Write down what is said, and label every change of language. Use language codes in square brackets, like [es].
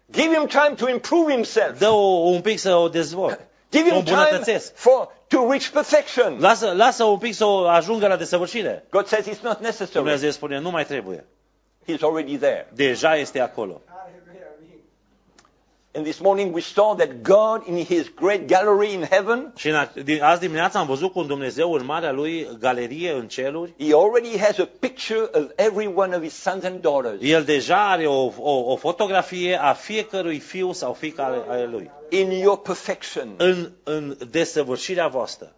[en] Give him time to improve himself. [ro] Dă-o un pic să o dezvolt. [en] Give him time to reach perfection. [ro] Lasă un pic să o ajungă la desăvârșire. [en] God says it's not necessary. [ro] Dumnezeu spune, nu mai trebuie. [en] He's already there. [ro] Deja este acolo. [en] And this morning we saw that God in his great gallery in heaven. [ro] Și azi dimineața am văzut cum Dumnezeu în marea lui galerie în ceruri. [en] He already has a picture of every one of his sons and daughters. [ro] El deja are o fotografie a fiecărui fiu sau fiică a lui. [en] In your perfection. [ro] În desăvârșirea voastră.